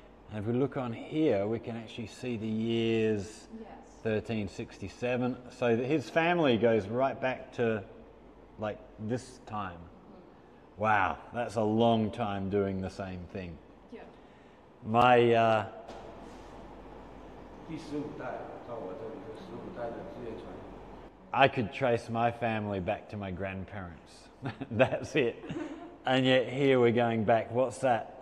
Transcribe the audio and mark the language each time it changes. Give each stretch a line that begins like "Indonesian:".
English: And if we look on here, we can actually see the years, yes. 1367, so his family goes right back to, like, this time. Mm-hmm. Wow, that's a long time doing the same thing. Yeah. My,
Chinese: 第十五代到我这里是十五代的职业传人。
English: I could trace my family back to my grandparents. That's it. And yet here we're going back, what's that?